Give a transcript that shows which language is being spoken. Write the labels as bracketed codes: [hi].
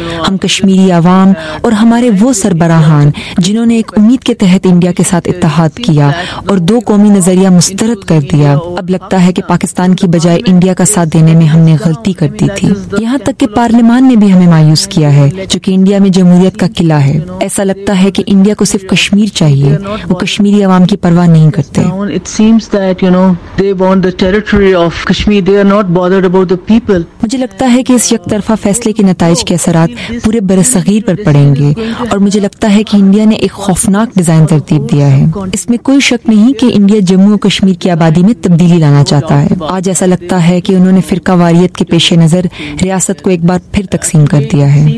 [ur] ہم کشمیری عوام اور ہمارے وہ سربراہان جنہوں نے ایک امید کے تحت انڈیا کے ساتھ اتحاد کیا اور دو قومی نظریہ مسترد کر دیا, اب لگتا ہے کہ پاکستان کی بجائے انڈیا کا ساتھ دینے میں ہم نے غلطی کر دی تھی. یہاں تک کہ پارلیمان نے بھی ہمیں مایوس کیا ہے جو کہ انڈیا میں جمہوریت کا قلعہ ہے. ایسا لگتا ہے کہ انڈیا کو صرف کشمیر چاہیے, وہ کشمیری عوام کی پرواہ نہیں کرتے. [en] It seems that, you know, they want the territory of Kashmir. They are not bothered about the people. [ur] مجھے لگتا ہے کہ اس یک طرفہ فیصلے کے نتائج کے اثرات پورے برصغیر پر پڑیں گے اور مجھے لگتا ہے کہ انڈیا نے ایک خوفناک ڈیزائن ترتیب دیا ہے. اس میں کوئی شک نہیں کہ انڈیا جموں و کشمیر کی آبادی میں تبدیلی لانا چاہتا ہے. آج ایسا لگتا ہے کہ انہوں نے فرقہ واریت کے پیش نظر ریاست کو ایک بار پھر تقسیم کر دیا ہے.